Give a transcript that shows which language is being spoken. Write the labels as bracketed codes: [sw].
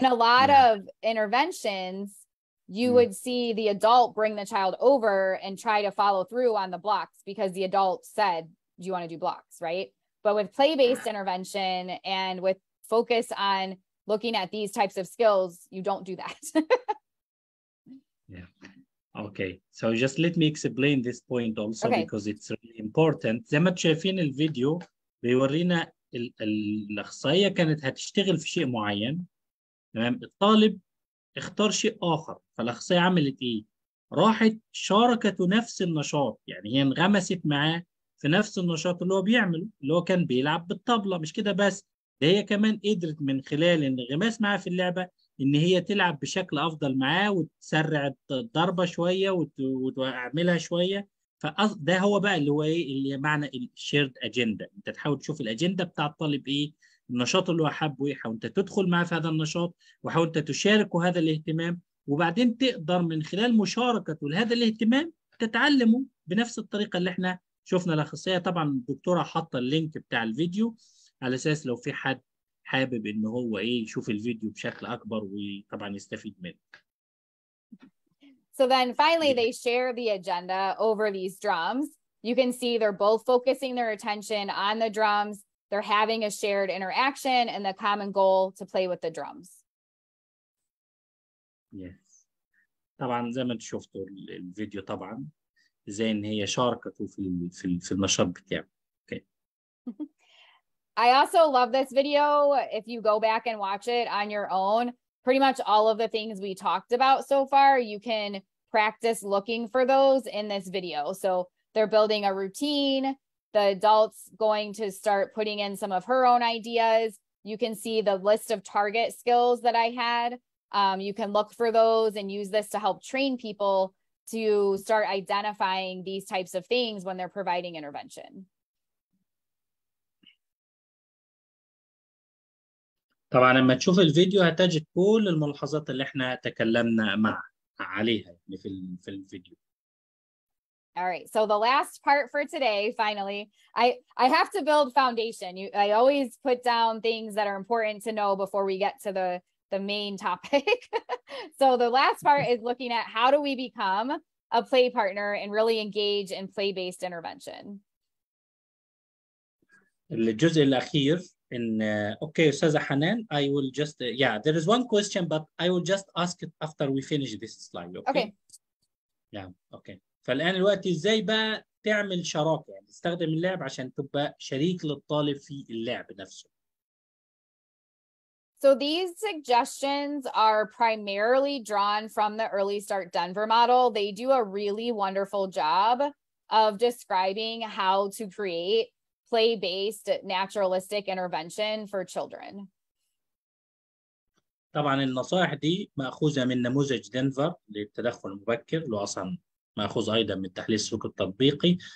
[en] in a lot of interventions, you would see the adult bring the child over and try to follow through on the blocks because the adult said, do you want to do blocks, right? But with play-based intervention and with focus on looking at these types of skills, you don't do that. Yeah. Okay. So just let me explain this point also because it's really important. [ar] زي ما تشايفين الفيديو بيورينا الأخصائية كانت هتشتغل في شيء معين. تمام؟ الطالب اختار شيء آخر. فالأخصائية عملت إيه؟ راحت شاركت نفس النشاط. يعني هي انغمست معاه في نفس النشاط اللي هو بيعمله. اللي هو كان بيلعب بالطبلة. مش كده بس. ده هي كمان قدرت من خلال انغماس معاه في اللعبة إن هي تلعب بشكل أفضل معاه وتسرع الضربة شوية وتعملها شوية. فده هو بقى اللي هو إيه اللي معنى الشيرد أجندة. أنت تحاول تشوف الأجندة بتاع الطالب إيه النشاط اللي هو حابه ايه، حاول انت تدخل معاه في هذا النشاط، وحاول انت تشاركه هذا الاهتمام، وبعدين تقدر من خلال مشاركته لهذا الاهتمام تتعلمه بنفس الطريقه اللي احنا شفنا الاخصائيه. طبعا الدكتوره حاطه اللينك بتاع الفيديو على اساس لو في حد حابب ان هو ايه يشوف الفيديو بشكل اكبر وطبعا يستفيد منه. [en] So then finally they share the agenda over these drums. You can see they're both focusing their attention on the drums. They're having a shared interaction and the common goal to play with the drums. Yes. [ar] طبعا زي ما شفتوا الفيديو طبعا زي ان هي شاركته في النشاط بتاعه. [en] Okay. I also love this video. If you go back and watch it on your own, pretty much all of the things we talked about so far, you can practice looking for those in this video. So they're building a routine, the adult's going to start putting in some of her own ideas. You can see the list of target skills that I had. You can look for those and use this to help train people to start identifying these types of things when they're providing intervention. [ar] طبعا لما تشوف الفيديو هتجد كل الملاحظات اللي احنا تكلمنا عليها في الفيديو. [en] All right, so the last part for today, finally, I have to build foundation. I always put down things that are important to know before we get to the main topic. So the last part is looking at how do we become a play partner and really engage in play-based intervention. [ar] الجزء الأخير [en] in okay, Sazah Hanan, I will just yeah, there is one question, but I will just ask it after we finish this slide. Okay. Yeah, okay. [ar] فالآن الوقت ازاي بقى تعمل شراكة، يعني تستخدم اللعب عشان تبقى شريك للطالب في اللعب نفسه. [en] So these suggestions are primarily drawn from the Early Start Denver model. They do a really wonderful job of describing how to create play-based naturalistic intervention for children. [ar] طبعا النصائح دي مأخوذة من نموذج دنفر للتدخل المبكر، اللي أصلا مأخوذ أيضا من التحليل السلوكي التطبيقي.